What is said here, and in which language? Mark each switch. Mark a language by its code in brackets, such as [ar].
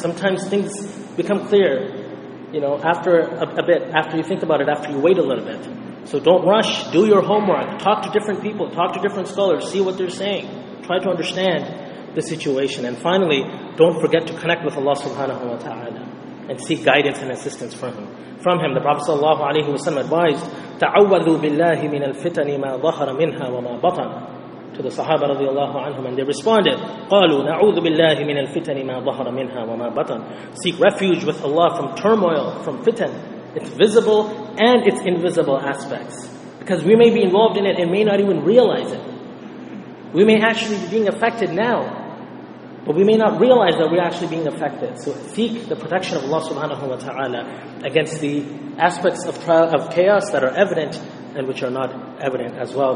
[en] Sometimes things become clear, you know, after a bit, after you think about it, after you wait a little bit. So don't rush, do your homework, talk to different people, talk to different scholars, see what they're saying. Try to understand the situation. And finally, don't forget to connect with Allah subhanahu wa ta'ala and seek guidance and assistance from Him. The Prophet sallallahu alaihi wasallam advised, [ar] تَعَوَّذُوا بِاللَّهِ مِنَ الْفِتَنِ مَا ظَهَرَ مِنْهَا وَمَا بَطَنَ, [en] to the Sahaba radiallahu anhum, and they responded, [ar] قَالُوا نَعُوذُ بِاللَّهِ مِنَ الْفِتَنِ مَا ظَهَرَ مِنْهَا وَمَا بَطَنَ. [en] Seek refuge with Allah from turmoil, from fitan, its visible and its invisible aspects. Because we may be involved in it and may not even realize it. We may actually be being affected now, but we may not realize that we're actually being affected. So seek the protection of Allah subhanahu wa ta'ala against the aspects of trial, of chaos that are evident and which are not evident as well.